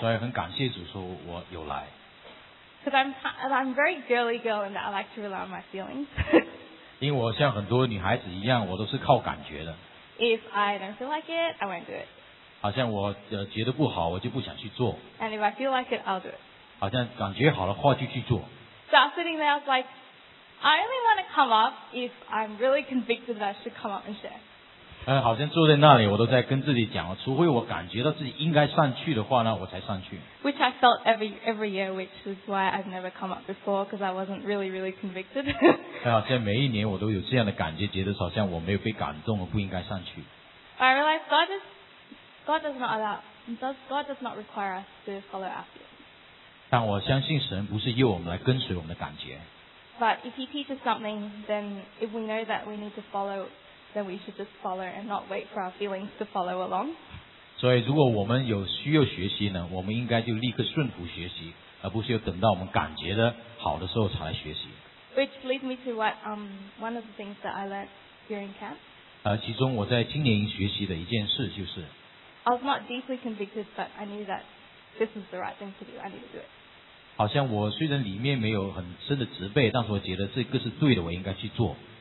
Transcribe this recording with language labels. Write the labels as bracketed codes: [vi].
[zh] 所以很感谢主说我有来。 [en] Because I'm very girly girl and I like to rely on my feelings. [zh] 因为我像很多女孩子一样，我都是靠感觉的。 [en] If I don't feel like it, I won't do it. [zh] 好像我觉得不好，我就不想去做。 [en] And if I feel like it, I'll do it. [zh] 好像感觉好了，话就去做。 [en] So I was sitting there, I was like, I only want to come up if I'm really convicted that I should come up and share. [zh] 好像坐在那里，我都在跟自己讲，除非我感觉到自己应该上去的话呢，我才上去。 [en] Which I felt every year, which is why I've never come up before, because I wasn't really, really convicted. [zh] 好像每一年我都有这样的感觉，觉得好像我没有被感动，我不应该上去。 [en] But I realized God is. God does not require us to follow our feelings. [zh] 但我相信神不是要我们来跟随我们的感觉。 [en] But if He teaches something, then if we know that we need to follow, then we should just follow and not wait for our feelings to follow along. [zh] 所以如果我们有需要学习呢，我们应该就立刻顺服学习，而不是要等到我们感觉的好的时候才来学习。 [en] Which leads me to what one of the things that I learned here in camp. [zh] 其中我在青年营学习的一件事就是。 [en] I was not deeply convicted, but I knew that this was the right thing to do. I need to do it. [zh] 好像我虽然里面没有很深的责备，但是我觉得这个是对的，我应该去做。